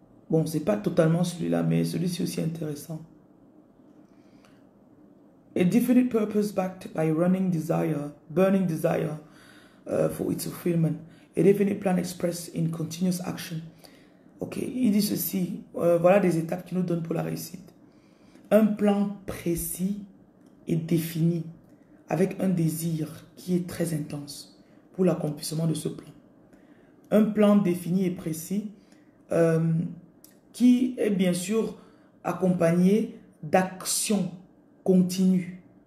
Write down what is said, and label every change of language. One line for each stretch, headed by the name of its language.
French: Bon, c'est pas totalement celui-là, mais celui-ci aussi intéressant.
English: A definite purpose backed by running desire, burning desire for its fulfillment. A definite plan expressed in continuous action.
French: Ok, il dit ceci. Voilà des étapes qui nous donnent pour la réussite. Un plan précis et défini avec un désir qui est très intense pour l'accomplissement de ce plan. Un plan défini et précis qui est bien sûr accompagné d'actions. Continue.